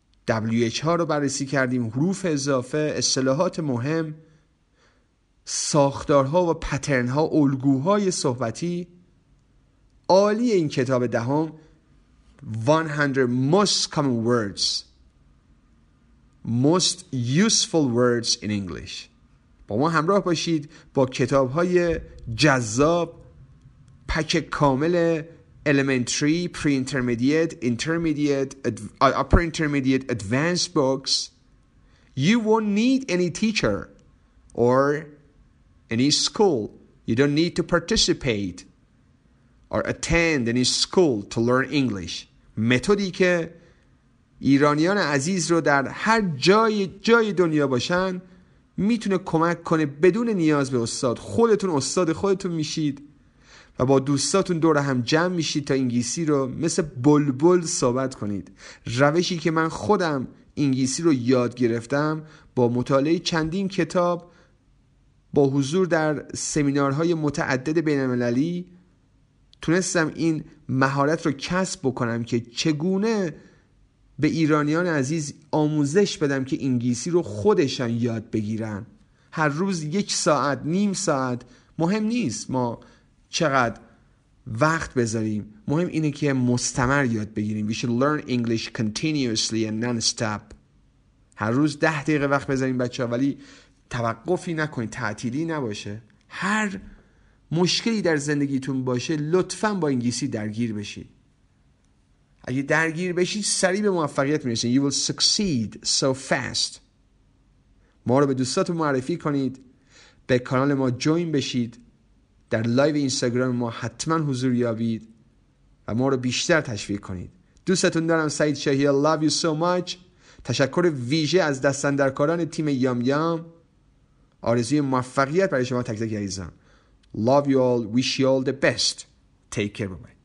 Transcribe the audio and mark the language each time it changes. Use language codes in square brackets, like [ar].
[fa] WH ها رو بررسی کردیم، حروف اضافه، اصطلاحات مهم، ساختارها و پترنها، الگوهای صحبتی. عالی این کتاب دهم، [en] 100 most common words، most useful words in English. [fa] با ما همراه باشید با کتاب‌های جذاب، پک کامل [en] elementary, pre-intermediate, intermediate, upper intermediate, advanced books. You won't need any teacher or any school. You don't need to participate or attend any school to learn English. [fa] متدی که ایرانیان عزیز رو در هر جای دنیا باشن میتونه کمک کنه بدون نیاز به استاد. خودتون استاد خودتون میشید و با دوستاتون دور هم جمع میشید تا انگلیسی رو مثل بلبل صحبت کنید. روشی که من خودم انگلیسی رو یاد گرفتم با مطالعه چندین کتاب، با حضور در سمینارهای متعدد بین‌المللی تونستم این مهارت رو کسب بکنم که چگونه به ایرانیان عزیز آموزش بدم که انگلیسی رو خودشان یاد بگیرن. هر روز یک ساعت، نیم ساعت، مهم نیست ما چقدر وقت بذاریم، مهم اینه که مستمر یاد بگیریم. [en] We should learn English continuously and non-stop. [fa] هر روز 10 دقیقه وقت بذاریم بچه ها، ولی توقفی نکنید، تعطیلی نباشه. هر مشکلی در زندگیتون باشه لطفاً با انگلیسی درگیر بشید. اگه درگیر بشید سریع به موفقیت میرسید. [en] You will succeed so fast. [fa] ما رو به دوستاتون معرفی کنید، به کانال ما جوین بشید، در لایو اینستاگرام ما حتما حضور یابید و ما رو بیشتر تشویق کنید. دوستتون دارم. [en] Saeed شهی، I love you so much. [fa] تشکر ویژه از دست‌اندرکاران تیم یام یام. آرزوی موفقیت برای شما تک تک عزیزان. [en] Love you all. Wish you all the best. Take care. Bye-bye.